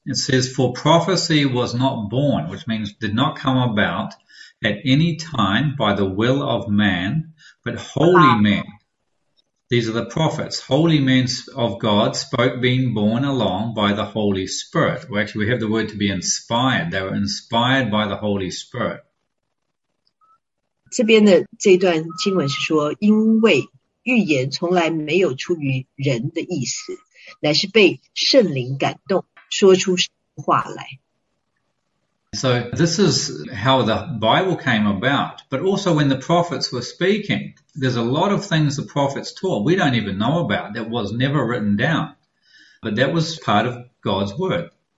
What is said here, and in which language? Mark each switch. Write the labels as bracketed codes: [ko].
[en] It says, For prophecy was not born, which means did not come about at any time by the will of man, but holy men. These are the prophets. Holy men of God spoke being born along by the Holy Spirit. Well, actually, we have the word to be inspired. They were inspired by the Holy Spirit. [zh] 这边的这段经文是说，因为预言从来没有出于人的意思，乃是被圣灵感动，说出话来。 [en] So this is how the Bible came about. But also when the prophets were speaking, there's a lot of things the prophets taught we don't even know about that was never written down. But that was part of God's word.